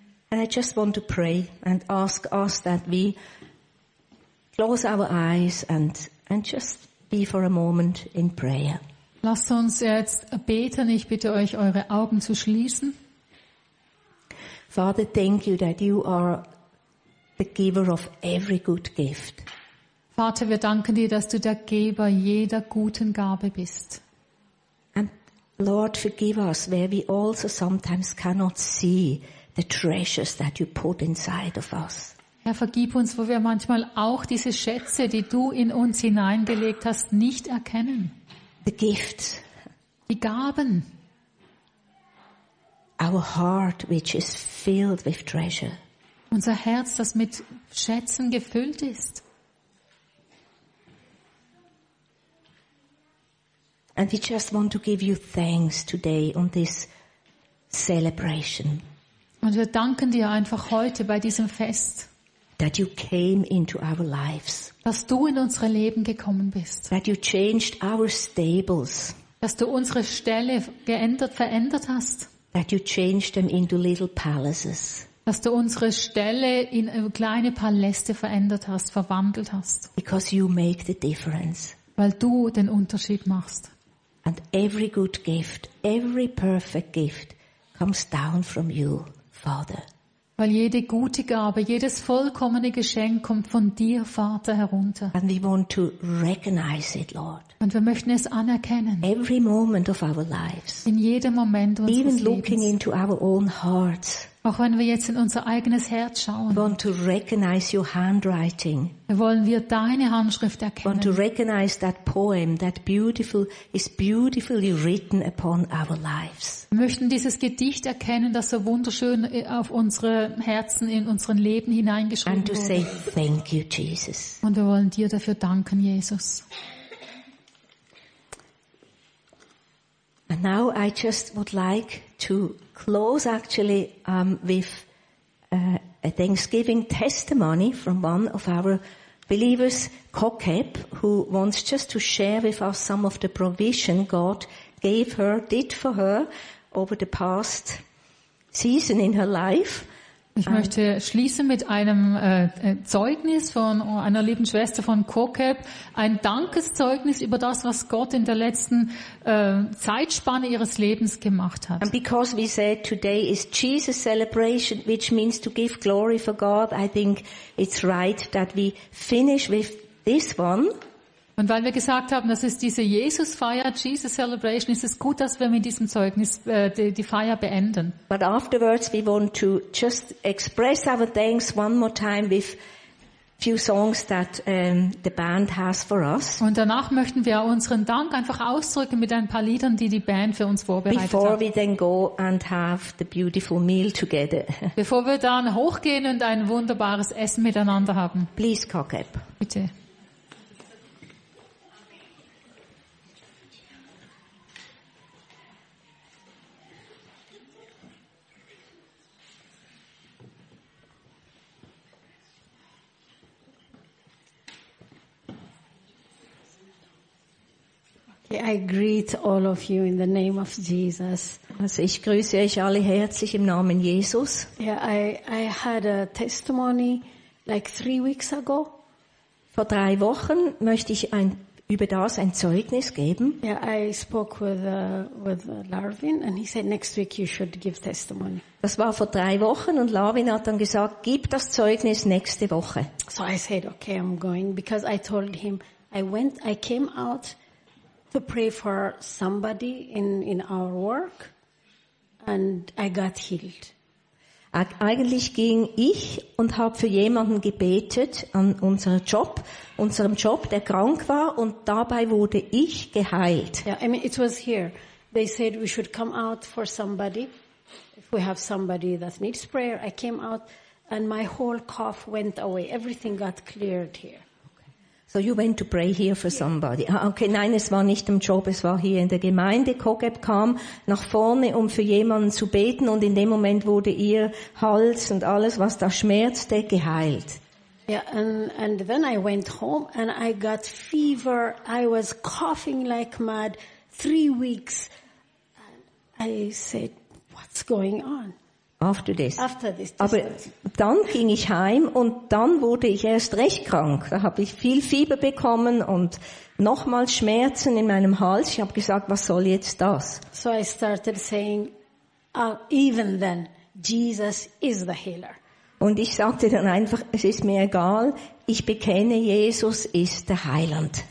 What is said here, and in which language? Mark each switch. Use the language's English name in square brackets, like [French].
[English] And I just want to pray and ask us that we close our eyes and just be for a moment in prayer. [German] Lasst uns jetzt beten. Ich bitte euch, eure Augen zu schließen. [English] Father, thank you that you are the giver of every good gift. [German] Vater, wir danken dir, dass du der Geber jeder guten Gabe bist. [English] And Lord, forgive us where we also sometimes cannot see the treasures that you put inside of us. [German] Herr, vergib uns, wo wir manchmal auch diese Schätze, die du in uns hineingelegt hast, nicht erkennen. [English] The gifts, [German] die Gaben, [English] our heart which is filled with treasure, [German] unser Herz, das mit Schätzen gefüllt ist. [English] And we just want to give you thanks today on this celebration. [German] Und wir danken dir einfach heute bei diesem Fest. [English] That you came into our lives. [German] Dass du in unsere Leben gekommen bist. [English] That you changed our stables. [German] Dass du unsere Ställe verändert hast. [English] That you changed them into little palaces. [German] Dass du unsere Stelle in kleine Paläste verändert hast, verwandelt hast. [English] Because you make the difference. [German] Weil du den Unterschied machst. [English] And every good gift, every perfect gift comes down from you, Father. [German] Weil jede gute Gabe, jedes vollkommene Geschenk kommt von dir, Vater, herunter. [English] And we want to recognize it, Lord. [German] Und wir möchten es anerkennen. [English] Every moment of our lives. [German] In jedem Moment unseres Lebens. [English] Even looking into our own hearts. [German] Auch wenn wir jetzt in unser eigenes Herz schauen. [English] We want to recognize your handwriting. [German] Wollen wir deine Handschrift erkennen. [English] We want to recognize that poem that beautiful is beautifully written upon our lives. [German] Wir möchten dieses Gedicht erkennen, das so wunderschön auf unsere Herzen, in unseren Leben hineingeschrieben wurde. [English] And to say thank you, Jesus. [German] Und wir wollen dir dafür danken, Jesus. [English] And now I just would like to close actually with a Thanksgiving testimony from one of our believers, Kokep, who wants just to share with us some of the provision God gave her, did for her over the past season in her life. [German] Ich möchte schließen mit einem Zeugnis von einer lieben Schwester von Kokep, ein Dankeszeugnis über das, was Gott in der letzten Zeitspanne ihres Lebens gemacht hat. [English] And because we said today is Jesus celebration, which means to give glory for God, I think it's right that we finish with this one. [German] Und weil wir gesagt haben, das ist diese Jesus-Feier, Jesus Celebration, ist es gut, dass wir mit diesem Zeugnis die Feier beenden. [English] But afterwards we want to just express our thanks one more time with few songs that the band has for us. [German] Und danach möchten wir unseren Dank einfach ausdrücken mit ein paar Liedern, die Band für uns vorbereitet hat. [English] Before we then go and have the beautiful meal together. [German] Bevor wir dann hochgehen und ein wunderbares Essen miteinander haben. [English] Please, Kokep. [German] Bitte. [English] I greet all of you in the name of Jesus. [German] Also ich grüße euch alle herzlich im Namen Jesus. [English] Yeah, I had a testimony like 3 weeks ago. [German] Vor 3 Wochen möchte ich über das ein Zeugnis geben. [English] Yeah, I spoke with Larvin and he said next week you should give testimony. [German] Das war vor 3 Wochen und Larvin hat dann gesagt, gib das Zeugnis nächste Woche. [English] So I said okay, I'm going because I told him I came out to pray for somebody in our work and I got healed. [German] Eigentlich ging ich und habe für jemanden gebetet an unserem Job, der krank war, und dabei wurde ich geheilt. [English] Yeah, I mean it was here. They said we should come out for somebody. If we have somebody that needs prayer, I came out and my whole cough went away. Everything got cleared here. So you went to pray here for somebody. [German] Okay, nein, es war nicht im Job, es war hier in der Gemeinde. Kokep kam nach vorne, um für jemanden zu beten, und in dem Moment wurde ihr Hals und alles, was da schmerzte, geheilt. [English] Yeah, and then I went home and I got fever. I was coughing like mad 3 weeks. I said, what's going on? After this. [German] Aber dann ging ich heim und dann wurde ich erst recht krank. Da habe ich viel Fieber bekommen und nochmals Schmerzen in meinem Hals. Ich habe gesagt, was soll jetzt das? [English] So I started saying, even then, Jesus is the healer. [German] Und ich sagte dann einfach, es ist mir egal, ich bekenne, Jesus ist der Heiland.